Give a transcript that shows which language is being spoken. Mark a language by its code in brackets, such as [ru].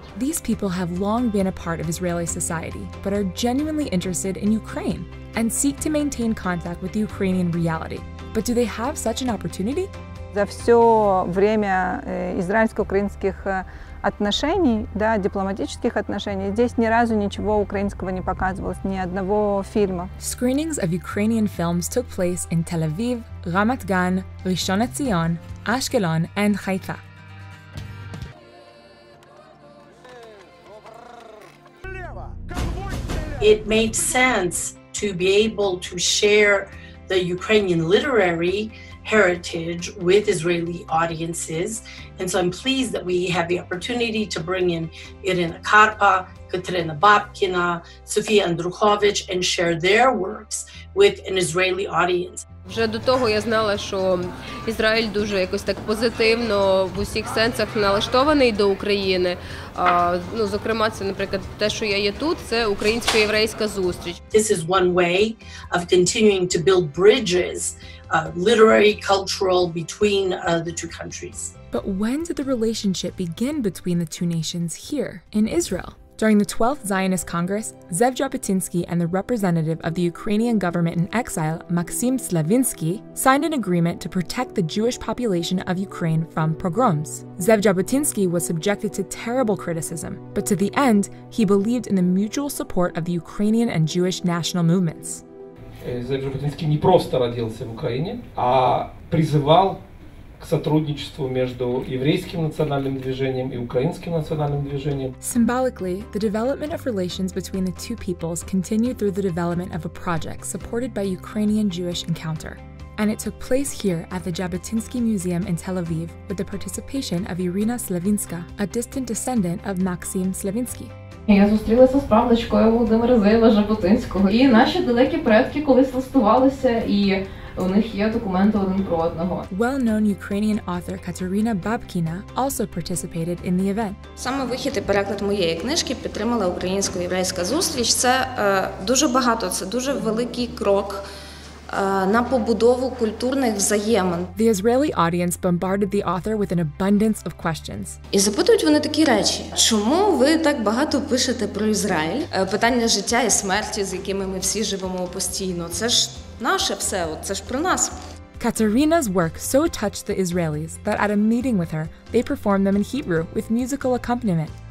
[en] These people have long been a part of Israeli society, but are genuinely interested in Ukraine and seek to maintain contact with the Ukrainian reality. But do they have such an opportunity? [ru] За все время израильско-украинских отношений, да, дипломатических отношений, здесь ни разу ничего украинского не показывалось, ни одного фильма. [en] Screenings of Ukrainian films took place in Tel Aviv, Ramat Gan, Rishon LeZion, Ashkelon and Haifa. It made sense to be able to share the Ukrainian literary heritage with Israeli audiences. And so I'm pleased that we have the opportunity to bring in Irina Karpa, Katrina Babkina, Sofia Andruchovich, and share their works with an Israeli audience. [uk] Вже до того я знала, що Ізраїль дуже якось так позитивно в усіх сенсах налаштований до України. Ну, зокрема, це, наприклад, те, що я є тут, це українсько-єврейська зустріч. [en] This is one way of continuing to build bridges, literary, cultural, between the two countries. But when did the relationship begin between the two nations here in Israel? During the 12th Zionist Congress, Zev Jabotinsky and the representative of the Ukrainian government in exile, Maxim Slavinsky, signed an agreement to protect the Jewish population of Ukraine from pogroms. Zev Jabotinsky was subjected to terrible criticism, but to the end, he believed in the mutual support of the Ukrainian and Jewish national movements. [ru] Zev Jabotinsky не просто родился в Украине, а призывал к сотрудничеству между еврейским национальным движением и украинским национальным движением. [en] Symbolically, the development of relations between the two peoples continued through the development of a project supported by Ukrainian Jewish Encounter. and it took place here at the Jabotinsky Museum in Tel Aviv with the participation of Irina Slavinska, a distant descendant of Maxim Slavinsky. [uk] Я зустрілася з правнучкою Володимира Зейла Жаботинського, і наші далекі предки колись листувалися, і у них є документи один про одного. [en] Well-known Ukrainian author Katerina Babkina also participated in the event. [uk] Саме вихід і переклад моєї книжки підтримала українсько-єврейська зустріч. Це дуже багато, це дуже великий крок на побудову культурних взаємин. [en] The Israeli audience bombarded the author with an abundance of questions. [uk] І запитують вони такі речі: чому ви так багато пишете про Ізраїль? Питання життя і смерті, з якими ми всі живемо постійно. Це ж наше все, це ж про нас. [en] Katerina's work so touched the Israelis that at a meeting with her, they performed them in Hebrew with musical accompaniment.